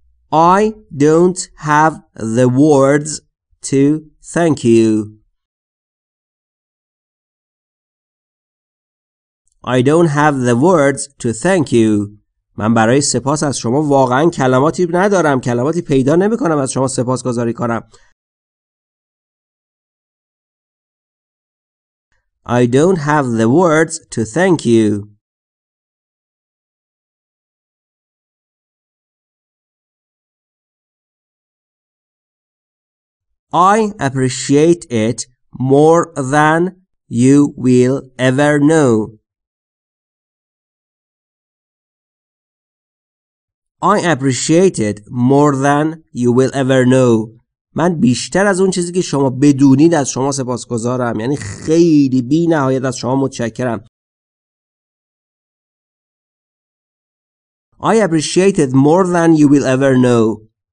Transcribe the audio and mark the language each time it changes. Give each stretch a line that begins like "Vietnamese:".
English: I don't have the words to thank you. I don't have the words to thank you.
Persian: من برای سپاس از شما واقعا کلماتی ندارم، کلماتی پیدا نمی کنم از شما سپاسگزاری کنم.
English: I don't have the words to thank you. I appreciate it more than you will ever know. I appreciate it more than you will ever know.
Persian: من بیشتر از اون چیزی که شما بدونید از شما سپاسگزارم، یعنی خیلی بی نهایت از شما متشکرم.
English: I appreciate it more than you will ever know.